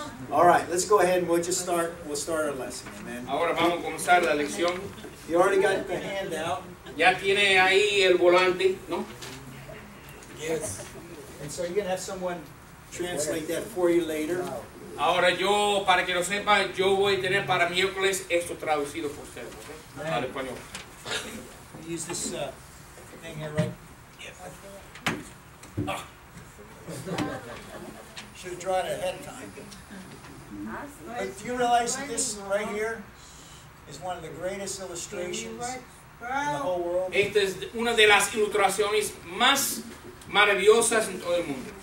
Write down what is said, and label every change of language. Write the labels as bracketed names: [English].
[English] All right, let's go ahead and we'll start our lesson, amen. [Spanish] Ahora vamos a comenzar la lección. [English] You already got the handout. [Spanish] Ya tiene ahí el volante, ¿no? [English] Yes. And so you're going to have someone translate that for you later. [Spanish] Ahora yo, para que lo sepa, yo voy a tener para miércoles esto traducido por usted, ¿okay? Al español. [English] You use this thing here, right? Yeah. Should have drawn it ahead of time. But do you realize that this right here is one of the greatest illustrations in the whole world? [Spanish] Esta es una de las ilustraciones más maravillosas en todo el mundo.